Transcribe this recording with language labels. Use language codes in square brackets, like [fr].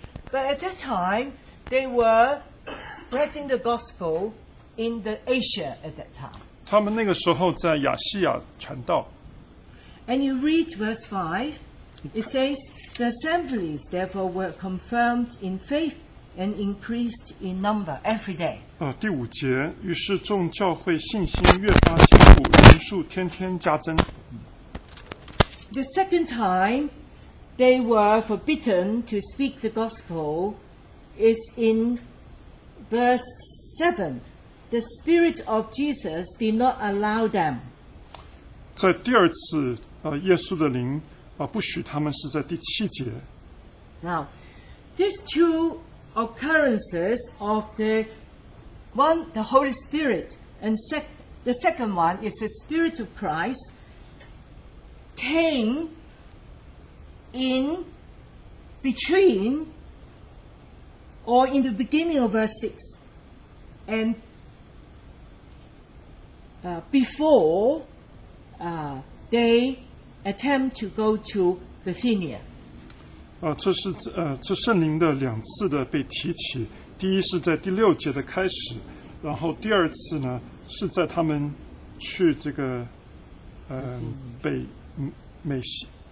[en] But at that time, they were spreading the gospel in the Asia at that time. [zh] 他们那个时候在亚细亚传道。 [en] And you read verse 5. It says, the assemblies therefore were confirmed in faith and increased in number every day. [zh] 第五节，于是众教会信心越发坚固，人数天天加增。 [en] The second time they were forbidden to speak the gospel is in verse 7. The Spirit of Jesus did not allow them. [zh] 在第二次，耶稣的灵不许他们是在第七节。 [en] Now, these two occurrences of the one, the Holy Spirit, and the second one is the Spirit of Christ came in between or in the beginning of verse 6 and before they. Attempt to go to Bithynia. [zh] 这圣灵的两次的被提起，第一是在第六节的开始，然后第二次呢是在他们去这个北美西。